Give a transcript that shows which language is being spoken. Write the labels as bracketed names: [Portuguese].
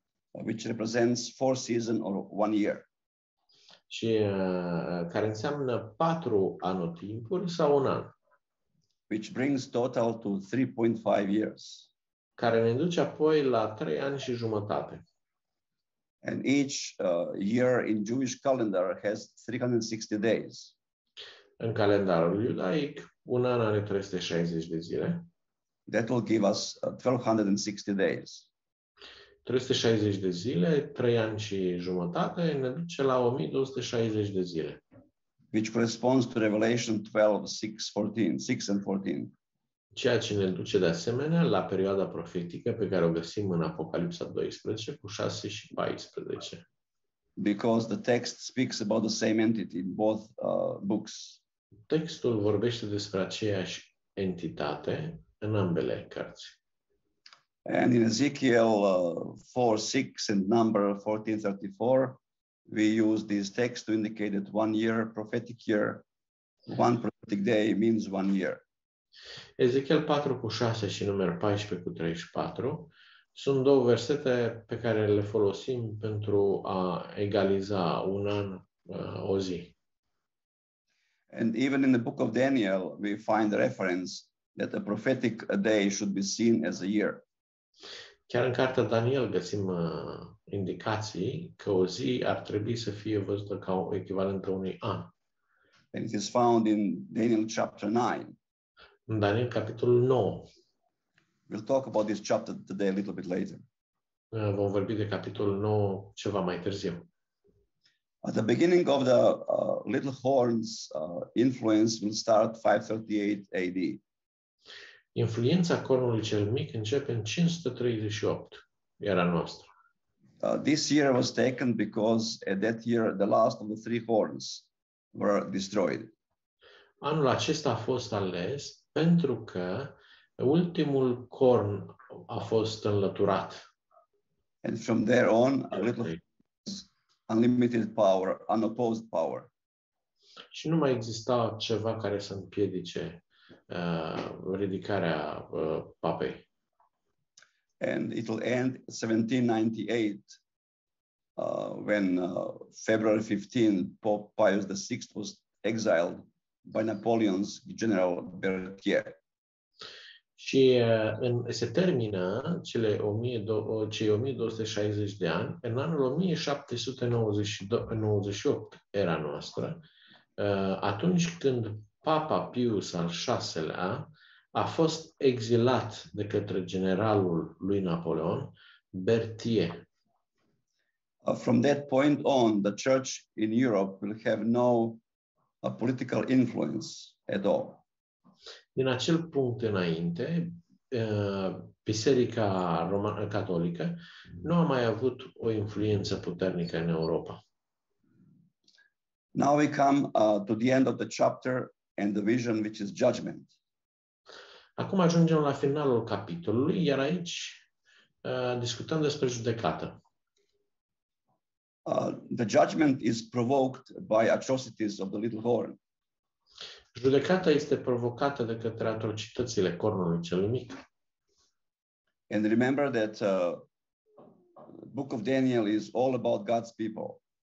[English] which represents four seasons or one year. [Romanian] Și care înseamnă patru anotimpuri sau un an. [English] Which brings total to 3.5 years. [Romanian] Care ne duce apoi la 3 ani și jumătate. [English] And each year in Jewish calendar has 360 days. [Romanian] În calendarul iudaic, un an are 360 de zile. [English] That will give us 1260 days. [Romanian] 360 de zile, 3 ani și jumătate, ne duce la 1260 de zile. [English] Which corresponds to Revelation 12:6-14. [Romanian] Ceea ce ne duce de asemenea la perioada profetică pe care o găsim în Apocalipsa 12 cu 6 și 14. [English] Because the text speaks about the same entity in both books. [Romanian] Textul vorbește despre aceeași entitate în ambele cărți. [English] And in Ezekiel 4:6 and number 14:34, we use this text to indicate that one year prophetic year, one prophetic day means one year. [Romanian] Ezekiel 4:6 și numărul 14:34 sunt două versete pe care le folosim pentru a egaliza un an, o zi. [English] And even in the book of Daniel, we find the reference that a prophetic day should be seen as a year. [Romanian] Chiar în cartea Daniel găsim indicații că o zi ar trebui să fie văzută ca o echivalentă unui an. [English] And it is found in Daniel chapter 9. [Romanian] În Daniel capitolul 9. [English] We'll talk about this chapter today a little bit later. [Romanian] Vom vorbi de capitolul 9 ceva mai târziu. [English] At the beginning of the Little Horn's influence will start 538 AD. [Romanian] Influența Cornului cel Mic începe în 538 era noastră. [English] This year was taken because at that year the last of the three horns were destroyed. [Romanian] Anul acesta a fost ales pentru că ultimul corn a fost înlăturat. [English] And from there on, a little unlimited power, unopposed power. [Romanian] Și nu mai exista ceva care să împiedice ridicarea papei. [English] And it will end 1798 when February 15 Pope Pius VI was exiled by Napoleon's general Berthier. [Romanian] Și se termină cei 1260 de ani în anul 1798 era noastră, atunci când Papa Pius al VI-lea a fost exilat de către generalul lui Napoleon, Berthier. [English] From that point on, the church in Europe will have no political influence at all. [Romanian] Din acel punct înainte, Biserica Romană Catolică nu a mai avut o influență puternică în Europa. [English] Now we come to the end of the chapter and the vision, which is judgment. [Romanian] Acum ajungem la finalul capitolului, iar aici discutăm despre judecată. [English] The judgment is provoked by atrocities of the little horn. [Romanian] Judecata este provocată de către atrocitățile cornului cel mic. [English] And remember that Book of Daniel is all about God's people.